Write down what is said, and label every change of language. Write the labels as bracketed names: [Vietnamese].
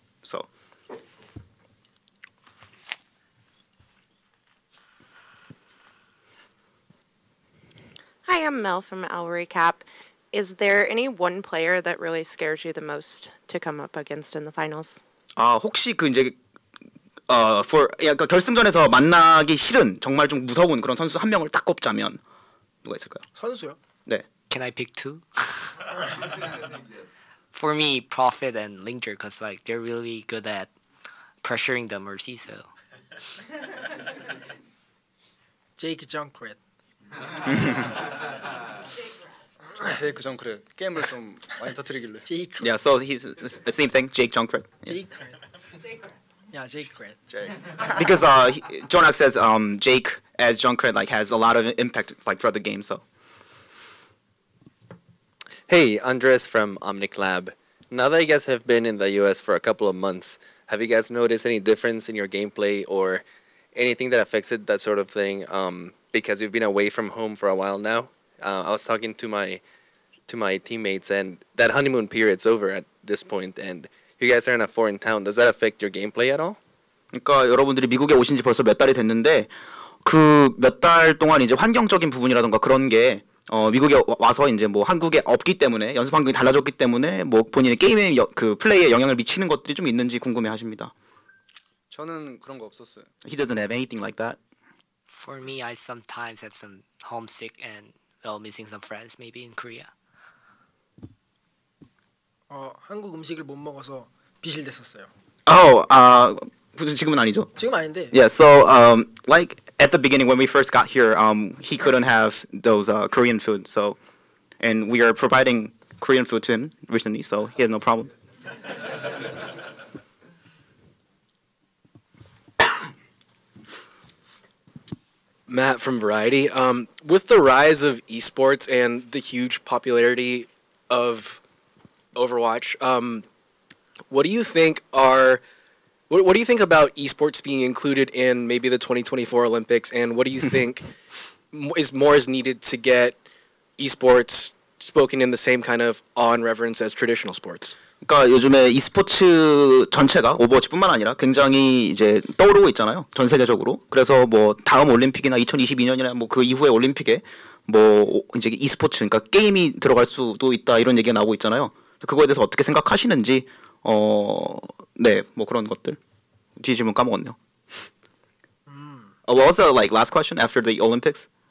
[English] So. Hi, I'm Mel from Al Recap. Is there any one player that really scares you the most to come up against in the finals? [Korean] 아 혹시 그 이제 for 그러니까 결승전에서 만나기 싫은 정말 좀 무서운 그런 선수 한 명을 딱 꼽자면 누가 있을까요? 선수요? 네. [English] Can I pick two? For me, Prophet and Linger, cause like they're really good at pressuring the Mercy. So. Jake Junkrat. [Korean] 제이크 정크렛 게임을 좀 많이 터뜨리길래. [English] 제이크. Yeah, so he's the same thing. Jake Junkrat. Yeah. Jake. Because Jonak says Jake as Junkrat like has a lot of impact like throughout the game. So. Hey, Andres from Omnic Lab. Now that you guys have been in the U.S. for a couple of months, have you guys noticed any difference in your gameplay or anything that affects it, that sort of thing? Because you've been away from home for a while now. I was talking to my teammates, and that honeymoon period's over at this point, and you guys are in a foreign town. Does that affect your gameplay at all? [Korean] 그러니까 여러분들이 미국에 오신 지 벌써 몇 달이 됐는데 그 몇 달 동안 이제 환경적인 부분이라든가 그런 게 미국에 와서 이제 뭐 한국에 없기 때문에 연습 환경이 달라졌기 때문에 뭐 본인의 게임의 그 플레이에 영향을 미치는 것들이 좀 있는지 궁금해 하십니다. 저는 그런 거 없었어요. [English] He doesn't have anything like that. For me, I sometimes have some homesick and well missing some friends maybe in Korea. [Korean] 한국 음식을 못 먹어서 비실됐었어요. Oh, 지금은 아니죠. 지금 아닌데. [English] Yeah, so like at the beginning when we first got here, he couldn't have those Korean food. So, and we are providing Korean food to him recently, so he has no problem. Matt from Variety. With the rise of esports and the huge popularity of Overwatch, what do you think about esports being included in maybe the 2024 Olympics, and what do you think is needed to get esports spoken in the same kind of awe and reverence as traditional sports? [Korean] 그러니까 요즘에 e스포츠 전체가 오버워치뿐만 아니라 굉장히 이제 떠오르고 있잖아요. 전 세계적으로. 그래서 뭐 다음 올림픽이나 2022년이나 뭐 그 이후에 올림픽에 뭐 이제 e스포츠 그러니까 게임이 들어갈 수도 있다 이런 얘기가 나오고 있잖아요. 그거에 대해서 어떻게 생각하시는지 네, 뭐 그런 것들. 뒤 질문 까먹었네요. [English] What was the like last question after the Olympics?